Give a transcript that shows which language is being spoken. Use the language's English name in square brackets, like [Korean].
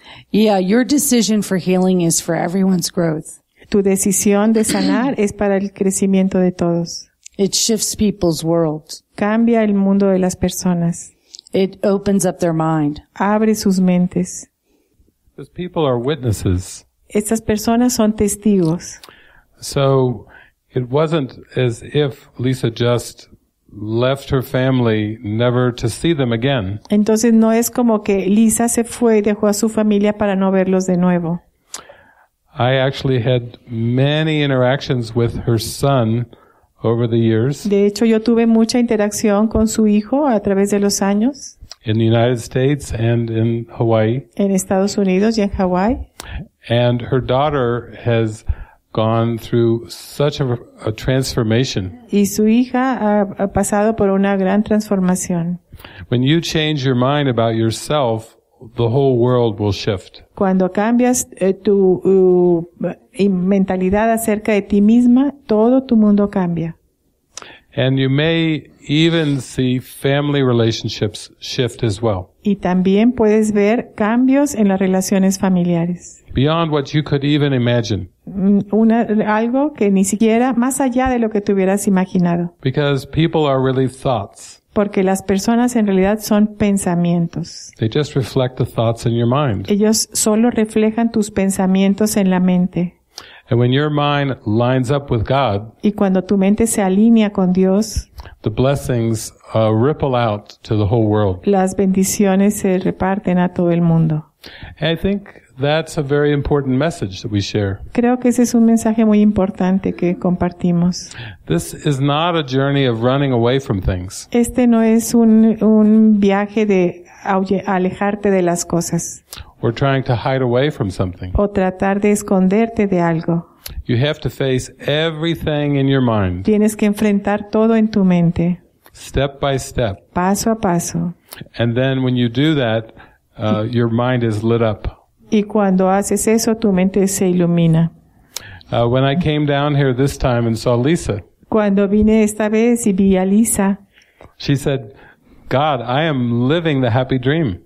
[English] Yeah, your decision for healing is for everyone's growth. [Spanish] Tu decisión de sanar es para el crecimiento de todos. [English] It shifts people's world. [Spanish] Cambia el mundo de las personas. [English] It opens up their mind. [Spanish] Abre sus mentes. [English] Because people are witnesses. [Spanish] Estas personas son testigos. [English] So, it wasn't as if Lisa just left her family never to see them again. [Spanish] Entonces no es como que Lisa se fue y dejó a su familia para no verlos de nuevo. [English] I actually had many interactions with her son over the years. [Spanish] De hecho, yo tuve mucha interacción con su hijo a través de los años. [English] In the United States and in Hawaii. [Spanish] En Estados Unidos y en Hawaii. [English] And her daughter has gone through such a transformation. [Spanish] Y su hija ha pasado por una gran transformación. [English] When you change your mind about yourself, the whole world will shift. [Spanish] Cuando cambias tu mentalidad acerca de ti misma, todo tu mundo cambia. [English] And you may even see family relationships shift as well. [Spanish] Y también puedes ver cambios en las relaciones familiares. [English] Beyond what you could even imagine. [Spanish] Algo que ni siquiera, más allá de lo que te hubieras imaginado. [English] Because people are really thoughts. [Spanish] Porque las personas en realidad son pensamientos. [English] They just reflect the thoughts in your mind. [Spanish] Ellos solo reflejan tus pensamientos en la mente. [English] And when your mind lines up with God, [Spanish] y cuando tu mente se alinea con Dios, [English] the blessings ripple out to the whole world. [Spanish] Las bendiciones se reparten a todo el mundo. [English] I think that's a very important message that we share. [Spanish] Creo que ese es un mensaje muy importante que compartimos. [English] This is not a journey of running away from things. [Spanish] Este no es un viaje de alejarte de las cosas. [English] Or trying to hide away from something. [Spanish] O tratar de esconderte de algo. [English] You have to face everything in your mind. [Spanish] Tienes que enfrentar todo en tu mente. [English] Step by step. [Spanish] Paso a paso. [English] And then when you do that, your mind is lit up. [Spanish] Y cuando haces eso, tu mente se ilumina. [English] When I came down here this time and saw Lisa. [Spanish] Cuando vine esta vez y vi a Lisa. [English] She said, "God, I am living the happy dream."